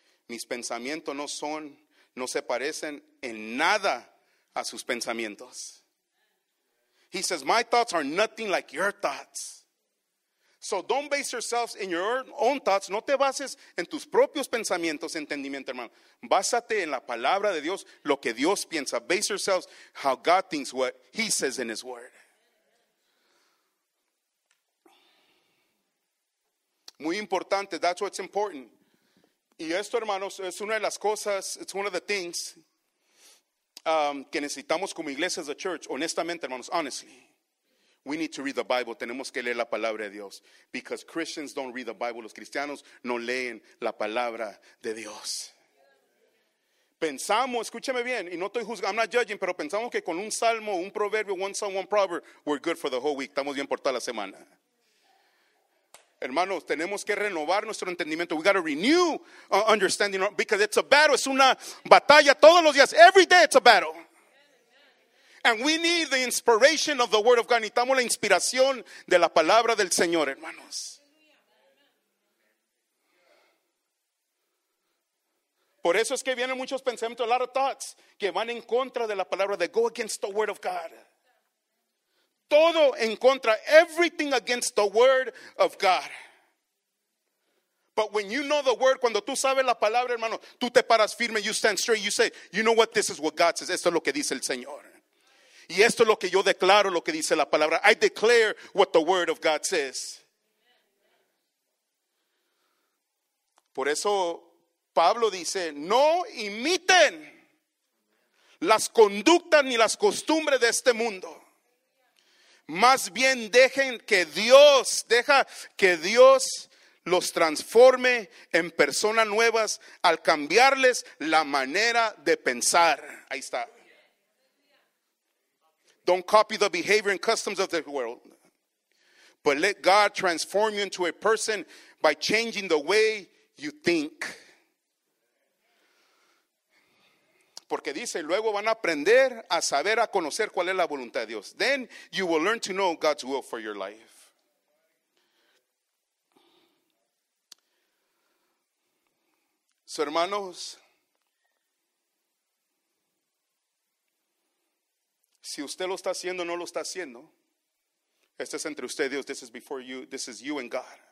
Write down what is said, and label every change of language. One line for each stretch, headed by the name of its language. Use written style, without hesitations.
Spanish: Mis pensamientos no se parecen en nada a sus pensamientos.
English: He says, my thoughts are nothing like your thoughts. So don't base yourselves in your own thoughts.
Spanish: No te bases en tus propios pensamientos, entendimiento, hermano. Básate en la palabra de Dios, lo que Dios piensa.
English: Base yourselves how God thinks, what he says in his word.
Spanish: Muy importante,
English: that's what's important.
Spanish: Y esto, hermanos, es una de las cosas,
English: it's one of the things
Spanish: que necesitamos como iglesia,
English: as a church,
Spanish: honestamente, hermanos,
English: honestly. We need to read the Bible.
Spanish: Tenemos que leer la palabra de Dios.
English: Because Christians don't read the Bible.
Spanish: Los cristianos no leen la palabra de Dios. Pensamos, escúcheme bien, y no estoy juzgando,
English: I'm not judging,
Spanish: pero pensamos que con un salmo, un proverbio,
English: one psalm, one proverb, we're good for the whole week.
Spanish: Estamos bien por toda la semana. Hermanos, tenemos que renovar nuestro entendimiento.
English: We got to renew our understanding. Because it's a battle.
Spanish: Es una batalla todos los días.
English: Every day it's a battle. And we need the inspiration of the word of God.
Spanish: Necesitamos la inspiración de la palabra del Señor, hermanos. Por eso es que vienen muchos pensamientos,
English: a lot of thoughts,
Spanish: que van en contra de la palabra,
English: that go against the word of God.
Spanish: Todo en contra,
English: everything against the word of God. But when you know the word,
Spanish: cuando tú sabes la palabra, hermano, tú te paras firme,
English: you stand straight, you say, you know what, this is what God says,
Spanish: esto es lo que dice el Señor. Y esto es lo que yo declaro, lo que dice la palabra.
English: I declare what the word of God says.
Spanish: Por eso Pablo dice, no imiten las conductas ni las costumbres de este mundo. Más bien dejen que Dios, deja que Dios los transforme en personas nuevas al cambiarles la manera de pensar. Ahí está.
English: Don't copy the behavior and customs of the world. But let God transform you into a person by changing the way you think.
Spanish: Porque dice, luego van a aprender a saber, a conocer cuál es la voluntad de Dios.
English: Then you will learn to know God's will for your life.
Spanish: So, hermanos, si usted lo está haciendo o no lo está haciendo, este es entre usted y Dios.
English: This is before you. This is you and God.